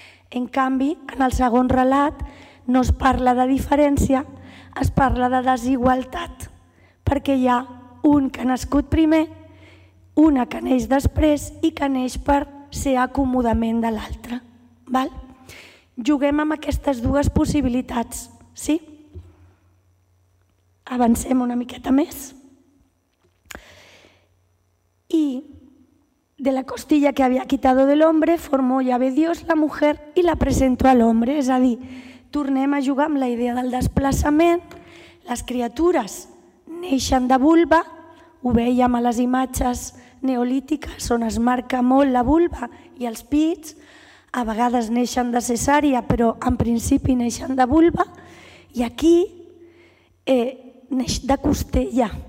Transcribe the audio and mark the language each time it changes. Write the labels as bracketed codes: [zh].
[ca] En canvi, en el segon relat no es parla de diferència, es parla de desigualtat, perquè hi ha un que ha nascut primer, una que neix després i que neix per ser acomodament de l'altre. Val? Juguem amb aquestes dues possibilitats. Sí? Avancem una miqueta més. [es] I de la costilla que havia quitado del hombre formó Yahvé Dios la mujer y la presentó al hombre. [ca] És a dir, tornem a jugar amb la idea del desplaçament. Les criatures neixen de vulva, ho veiem a les imatges neolítiques on es marca molt la vulva i els pits, a vegades neixen de cesària però en principi neixen de vulva, i aquí neix de costella.